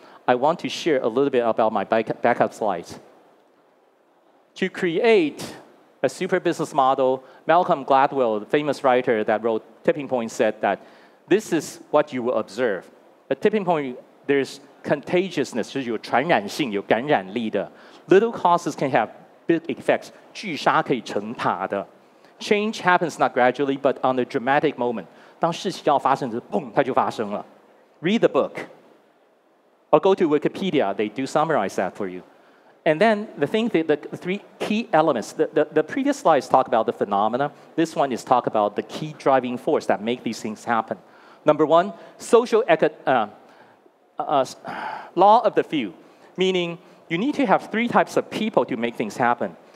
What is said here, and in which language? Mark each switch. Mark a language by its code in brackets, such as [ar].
[en] I want to share a little bit about my backup slides. To create a super business model, Malcolm Gladwell, the famous writer that wrote Tipping Point, said that this is what you will observe. At Tipping Point, there's contagiousness, 就是有传染性, 有感染力的. Little causes can have big effects, 巨杀可以成塔的. Change happens not gradually, but on a dramatic moment. [zh] 当事情要发生时, 砰, 它就发生了. [en] Read the book. Or go to Wikipedia, they do summarize that for you. And then the thing, the three key elements, the previous slides talk about the phenomena. This one is talk about the key driving force that make these things happen. Number one, social law of the few, meaning you need to have three types of people to make things happen.